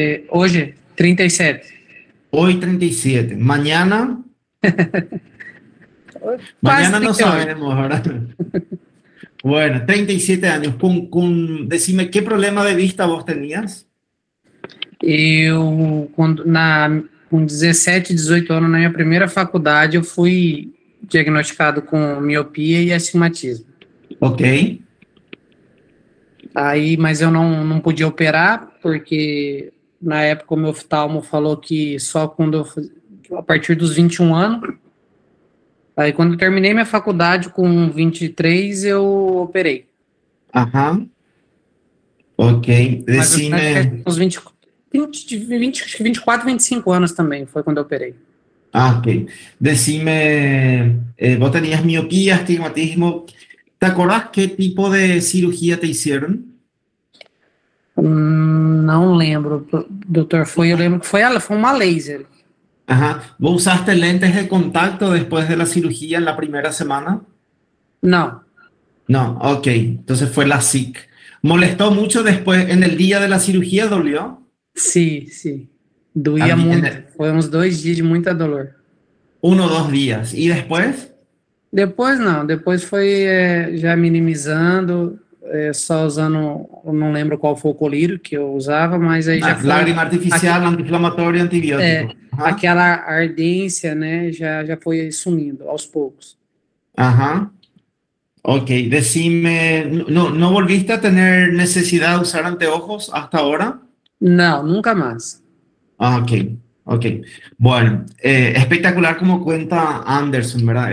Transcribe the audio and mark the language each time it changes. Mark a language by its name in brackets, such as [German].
[Spanish] Oye, 37. Hoy 37. ¿Mañana? Casi Mañana no 38. sabemos, ¿verdad? Bueno, 37 años. Decime, ¿qué problema de vista vos tenías? [Portuguese] Eu, quando, na, com 17, 18 anos, na minha primeira faculdade, eu fui diagnosticado com miopia e astigmatismo. Ok. Aí, mas eu não podia operar, porque na época o meu oftalmo falou que só quando a partir dos 21 anos. Aí, quando eu terminei minha faculdade com 23, eu operei. Ok, Mas eu tinha [Spanish] decime. [Portuguese] uns 20, 20, 24, 25 anos também, foi quando eu operei. [Spanish] Ah, ok. Decime, vos tenías miopía, astigmatismo. ¿Te acordás qué tipo de cirugía te hicieron? [Portuguese] Não lembro, doutor. Foi, eu lembro que foi uma laser. [Spanish] Ajá. ¿Vos usaste lentes de contacto después de la cirugía en la primera semana? [Portuguese] Não. [Spanish] No, ok. Entonces fue la SIC. ¿Molestó mucho después, en el día de la cirugía, dolió? [Portuguese] Sim. Doía [Spanish] A mí, en [Portuguese] muito. [Spanish] el... [Portuguese] Foi uns 2 dias de muita dor. [Spanish] 1 o 2 días. ¿Y después? [Portuguese] Depois não. Depois foi já minimizando. Só usando, eu não lembro qual foi o colírio que eu usava, mas aí já foi [Spanish] Lágrima artificial, anti-inflamatório, antibiótico. [Portuguese] aquela ardência, né? Já foi sumindo aos poucos. [Spanish] Ok, decime, ¿no volviste a tener necesidad de usar anteojos hasta ahora? [Portuguese] Não, nunca mais. [Spanish] Ok. Bueno, espectacular como cuenta Anderson, ¿verdad?